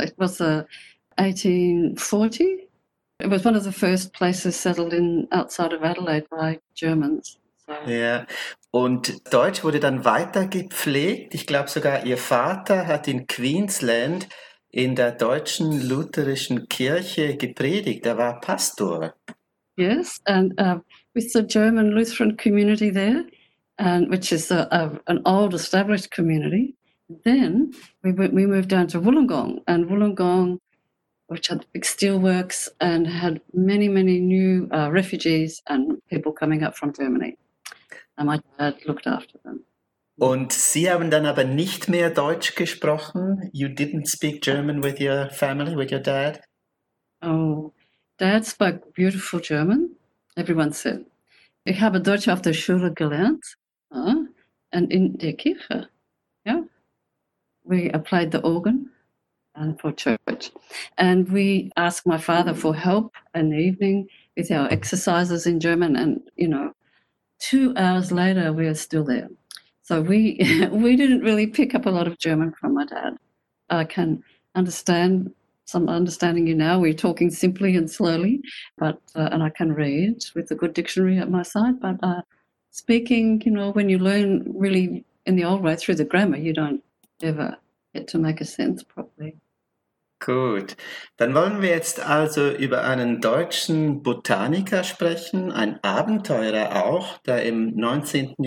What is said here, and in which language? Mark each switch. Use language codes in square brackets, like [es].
[en] It was 1840. It was one of the first places settled in outside of Adelaide by Germans. [de] So. Ja, und Deutsch wurde dann weiter gepflegt. Ich glaube sogar, Ihr Vater hat in Queensland in der deutschen lutherischen Kirche gepredigt. Er war Pastor. [en] Yes, and with the German Lutheran community there, and which is an old established community. Then we moved down to Wollongong, and Wollongong, which had big steelworks and had many, many new refugees and people coming up from Germany. And my dad looked after them. [de] Und Sie haben dann aber nicht mehr Deutsch gesprochen? [en] You didn't speak German with your family, with your dad? Oh, Dad spoke beautiful German, everyone said. [de] Ich habe Deutsch auf der Schule gelernt [en] and [de] in der Kirche. Yeah. [en] We applied the organ. And for church. And we asked my father for help in the evening with our exercises in German. And, you know, 2 hours later, we are still there. So we didn't really pick up a lot of German from my dad. I can understand some understanding you now. We're talking simply and slowly, but and I can read with a good dictionary at my side. But speaking, you know, when you learn really in the old way through the grammar, you don't ever get to make a sense properly. [de] Gut, dann wollen wir jetzt also über einen deutschen Botaniker sprechen, ein Abenteurer auch, der im 19.